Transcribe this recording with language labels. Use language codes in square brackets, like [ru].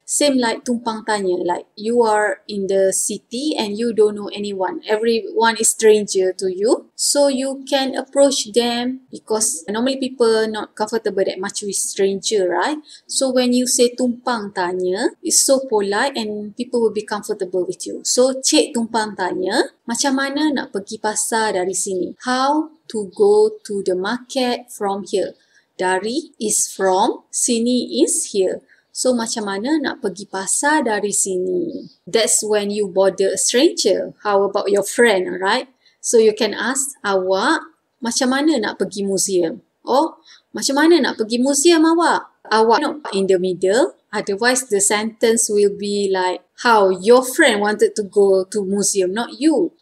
[en] Same like [ms] tumpang tanya, [en] like you are in the city and you don't know anyone. Everyone is stranger to you. So you can approach them because normally people not comfortable that much with stranger, right? So when you say [ms] tumpang tanya, [en] it's so polite and people will be comfortable with you. [ms] So cik tumpang tanya, macam mana nak pergi pasar dari sini? [en] How to go to the market from here? Dari is from, sini is here. [ms] So, macam mana nak pergi pasar dari sini? [en] That's when you border a stranger. How about your friend, right? So, you can ask, [ms] awak, macam mana nak pergi museum? Oh, macam mana nak pergi museum awak? Awak [en] not in the middle. Otherwise, the sentence will be like, how your friend wanted to go to museum, not you.